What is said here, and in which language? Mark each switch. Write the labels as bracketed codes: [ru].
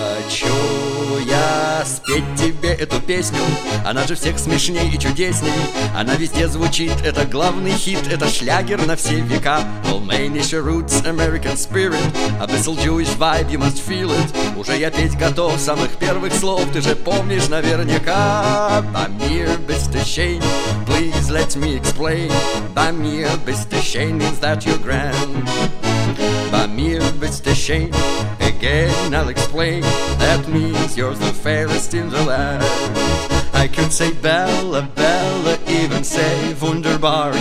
[ru] Хочу я спеть тебе эту песню, она же всех смешней и чудесней. Она везде звучит, это главный хит, это шлягер на все века. [en] All Maine is your roots, American spirit, a whistle Jewish vibe, you must feel it. [ru] Уже я петь готов самых первых слов, ты же помнишь наверняка. [en] Bamir Bistashane, please let me explain. Bamir Bistashane means that you're grand. Bamir Bistashane, again I'll explain. That means you're the fairest in the land. I could say Bella, Bella, even say Wunderbar.